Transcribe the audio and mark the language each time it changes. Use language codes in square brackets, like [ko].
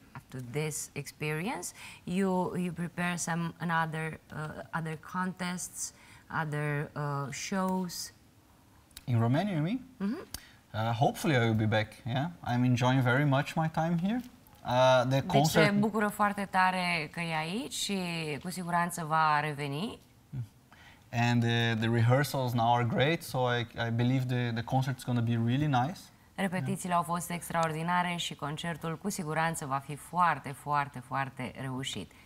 [en] To this experience, you prepare some other contests, other shows. In Romania, you mean? Mm-hmm. Hopefully, I will be back. Yeah, I'm enjoying very much my time here. The concert. [ro] Deci se bucură foarte tare că e aici și cu siguranță va reveni. [en] And the rehearsals now are great, so I believe the concert is going to be really nice. [ro] Repetițiile au fost extraordinare și concertul cu siguranță va fi foarte, foarte, foarte reușit.